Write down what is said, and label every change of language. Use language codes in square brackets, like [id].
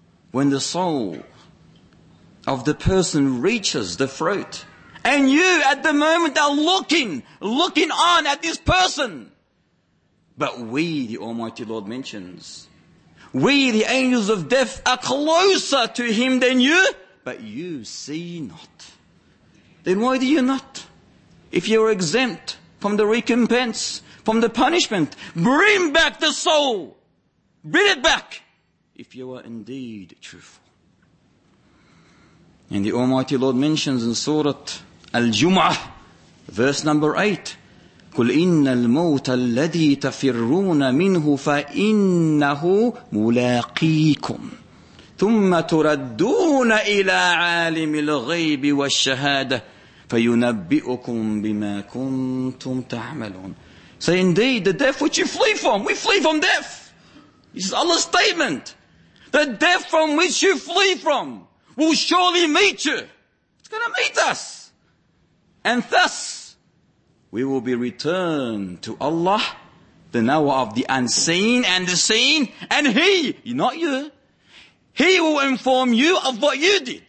[en] When the soul of the person reaches the throat, and you at the moment are looking on at this person, but we, the Almighty Lord mentions, we, the angels of death, are closer to him than you, but you see not. Then why do you not? If you're exempt from the recompense, from the punishment, bring back the soul. Bring it back, if you are indeed truthful. And the Almighty Lord mentions in Surah Al-Jum'ah, verse number 8, [ar] قُلْ إِنَّ الْمَوْتَ الَّذِي تَفِرُّونَ مِنْهُ فَإِنَّهُ مُلَاقِيكُمْ ثُمَّ تُرَدُّونَ إِلَىٰ عَالِمِ الْغَيْبِ وَالشَّهَادَةِ فَيُنَبِّئُكُمْ بِمَا كُنْتُمْ تَعْمَلُونَ. [en] So indeed, the death which you flee from, we flee from death. This is Allah's statement. The death from which you flee from will surely meet you. It's going to meet us. And thus, we will be returned to Allah, the knower of the unseen and the seen, and He, not you, He will inform you of what you did.